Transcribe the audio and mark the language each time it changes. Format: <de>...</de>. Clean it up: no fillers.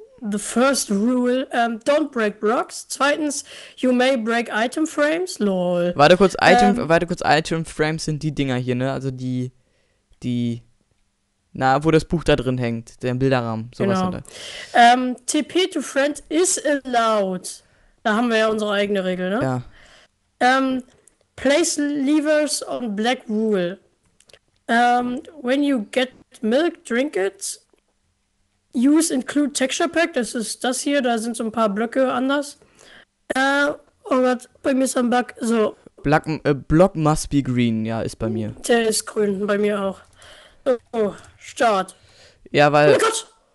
<en>The first rule, don't break blocks.</en> <de>Zweitens,</de> <en>you may break item frames. Lol.</en> <de>Item frames sind die Dinger hier, ne? Also die, na, wo das Buch da drin hängt, der Bilderrahmen, sowas. Genau.</de> <en>TP to friend is allowed.</en> <de>Da haben wir ja unsere eigene Regel, ne? Ja.</de> <en>Place levers on black rule. When you get milk, drink it. Use include texture pack,</en> <de>das ist das hier, da sind so ein paar Blöcke anders. Oh Gott, bei mir ist ein Bug, so.</de> <en>Block must be green,</en> <de>ja, ist bei mir. Der ist grün, bei mir auch. Oh, Start. Ja, weil... Oh mein Gott!</de>